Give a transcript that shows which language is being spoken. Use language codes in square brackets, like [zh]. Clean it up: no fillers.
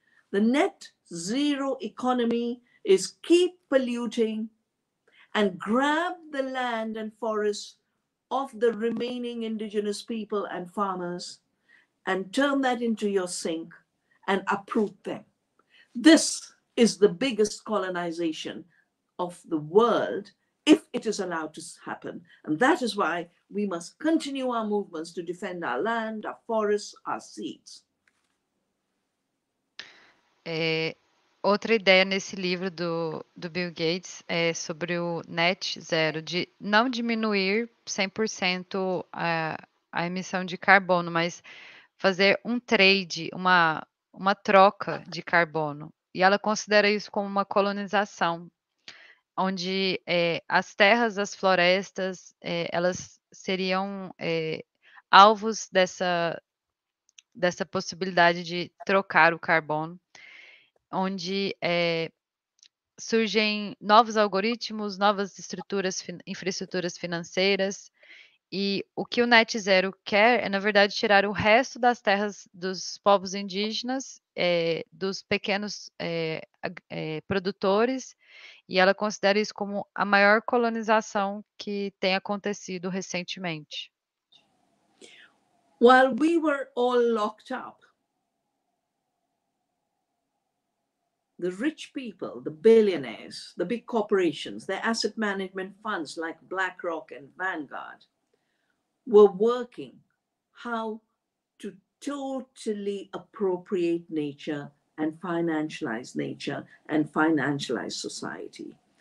[en] The net zero economy is keep polluting and grab the land and forests of the remaining indigenous people and farmers and turn that into your sink and uproot them. This is the biggest colonization of the world, if it is allowed to happen. And that is why we must continue our movements to defend our land, our forests, our seeds. [pt] Outra ideia nesse livro do Bill Gates é sobre o net zero, de não diminuir 100% a emissão de carbono, mas fazer um trade, uma troca de carbono. E ela considera isso como uma colonização, onde as terras, as florestas, elas seriam alvos dessa possibilidade de trocar o carbono, onde surgem novos algoritmos, novas estruturas, infraestruturas financeiras. E o que o Net Zero quer é, na verdade, tirar o resto das terras dos povos indígenas, dos pequenos produtores, e ela considera isso como a maior colonização que tem acontecido recentemente. [en] While we were all locked up, the rich people, the billionaires, the big corporations, their asset management funds like BlackRock and Vanguard, were working how to totally appropriate nature and financialize nature and financialize society.